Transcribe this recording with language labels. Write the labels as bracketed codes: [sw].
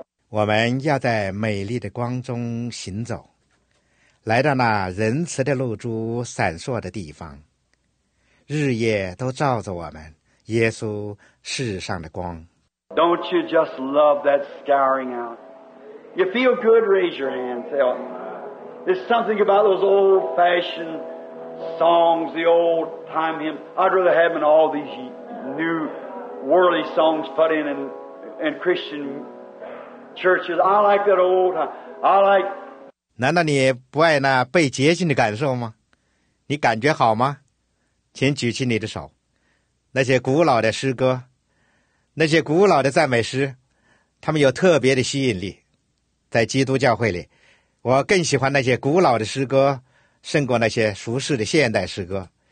[zh] 我们要在美丽的光中行走，来到那仁慈的露珠闪烁的地方，日夜都照着我们耶稣世上的光。 [en] Don't you just love that scouring out? You feel good, raise your hand. There's something about those old-fashioned songs, the old-time hymn. I'd rather have them in all these new worldly songs put in Christian churches. I like that old time. I like... [zh] 难道你不爱那被洁净的感受吗？你感觉好吗？请举起你的手。那些古老的诗歌，那些古老的赞美诗，他们有特别的吸引力。在基督教会里，我更喜欢那些古老的诗歌胜过那些熟识的现代诗歌。